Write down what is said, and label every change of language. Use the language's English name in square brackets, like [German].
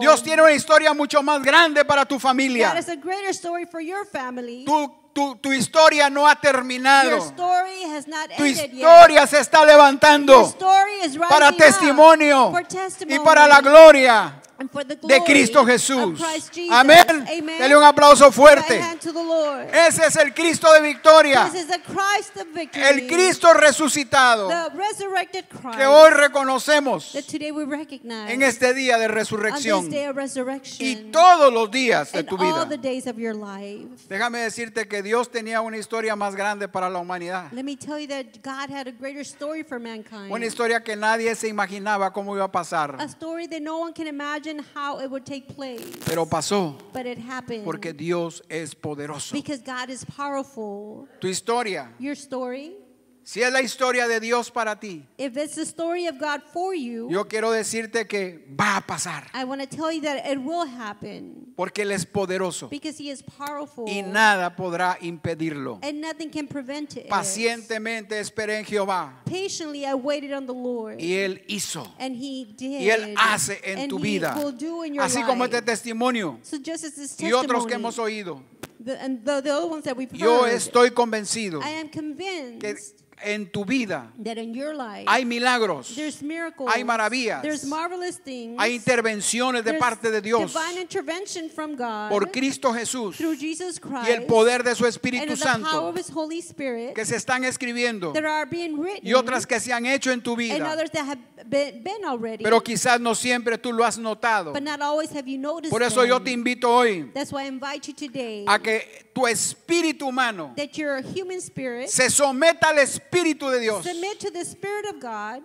[Spanish] Dios tiene una historia mucho más grande para tu familia. [English] God has a greater story for your family. [Spanish] Tu historia no ha terminado. [English] Your story has not ended [Spanish] yet. Tu historia se está levantando. [English] Your story is rising [Spanish] para testimonio [English] up for testimony [Spanish] y para la gloria [English] and for the glory [Spanish] de Cristo Jesús. Amén. Dale un aplauso fuerte. Ese es el Cristo de victoria. [English] This is the Christ of victory. [Spanish] El Cristo resucitado. [English] The resurrected Christ. [Spanish] Que hoy reconocemos. [English] That today we recognize. [Spanish] En este día de resurrección. [English] On this day of resurrection. [Spanish] Y todos los días de tu vida. [English] And all the days of your life. [Spanish] Déjame decirte que Dios tenía una historia más grande para la humanidad. [English] Let me tell you that God had a greater story for mankind. [Spanish] Una historia que nadie se imaginaba cómo iba a pasar. [English] A story that no one can imagine. Imagine how it would take place. [Spanish] Pero pasó. [English] But it happened. [Spanish] Porque Dios es poderoso. [English] Because God is powerful. [Spanish] Tu historia. [English] Your story. [Spanish] Si es la historia de Dios para ti. [English] If it's the story of God for you. [Spanish] Yo quiero decirte que va a pasar. [English] I want to tell you that it will happen. [Spanish] Porque Él es poderoso. [English] Because He is powerful. [Spanish] Y nada podrá impedirlo. [English] And nothing can prevent it. [Spanish] Pacientemente esperé en Jehová. [English] Patiently I waited on the Lord. [Spanish] Y Él hizo. [English] And He did. [Spanish] Y Él hace en [English] and [Spanish] tu [English] he [Spanish] vida. [English] Will do in your [Spanish] así [English] life. [Spanish] Como este testimonio. [English] So just as this testimony. [Spanish] Y otros que hemos oído. [English] The, and the other ones that we've [Spanish] yo [English] heard. [Spanish] Yo estoy convencido. [English] I am convinced. [Spanish] Que en tu vida [English] that in your life, [Spanish] hay milagros, [English] there's miracles, [Spanish] hay maravillas, [English] there's marvelous things, [Spanish] hay intervenciones de parte de Dios [English] divine intervention from God, [Spanish] por Cristo Jesús [English] through Jesus Christ, [Spanish] y el poder de su Espíritu [English] and [Spanish] Santo [English] the power of his Holy Spirit, [Spanish] que se están escribiendo [English] that are being written, [Spanish] y otras que se han hecho en tu vida [English] and others that have been already, [Spanish] pero quizás no siempre tú lo has notado [English] but not always have you noticed. [Spanish] Por eso [English] them. [Spanish] Yo te invito hoy [English] that's why I invite you today, [Spanish] a que tu espíritu humano [English] that your human spirit, [Spanish] se someta al Espíritu de Dios [English] submit to the Spirit of God,